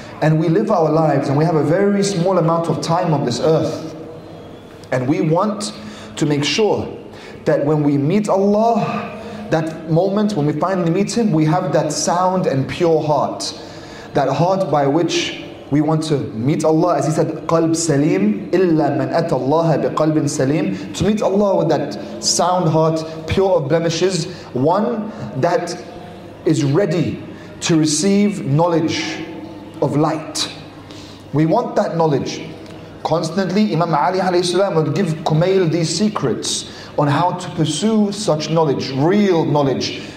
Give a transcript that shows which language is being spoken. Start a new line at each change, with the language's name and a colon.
English: And we live our lives and we have a very small amount of time on this earth. And we want to make sure that when we meet Allah, that moment when we finally meet Him, we have that sound and pure heart. That heart by which we want to meet Allah. As He said,
Arabic: قَلْبْ سَلِيمْ إِلَّا مَنْ أَتَى اللَّهَ بِقَلْبٍ سَلِيمْ.
English: To meet Allah with that sound heart, pure of blemishes. One that is ready to receive knowledge of light. We want that knowledge. Constantly, Imam Ali alayhi salam would give Kumail these secrets on how to pursue such knowledge, real knowledge.